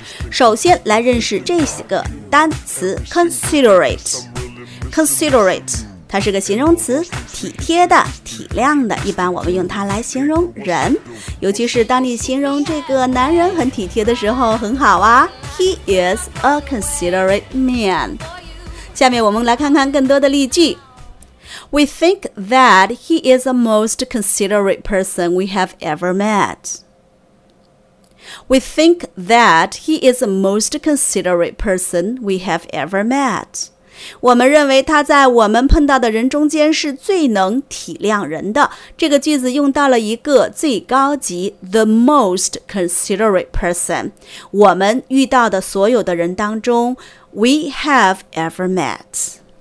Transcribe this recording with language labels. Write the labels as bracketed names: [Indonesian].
[Chinese] 首先来认识这些个单词 ：considerate， considerate， 它是个形容词，体贴的、体谅的。一般我们用它来形容人，尤其是当你形容这个男人很体贴的时候，很好啊。 [English] He is a considerate man. [Chinese] 下面我们来看看更多的例句。 [English] We think that he is the most considerate person we have ever met. We think that he is the most considerate person we have ever met. [Chinese] 我们认为他在我们碰到的人中间是最能体谅人的。这个句子用到了一个最高级 [English] the most considerate person. [Chinese] 我们遇到的所有的人当中 [English] we have ever met.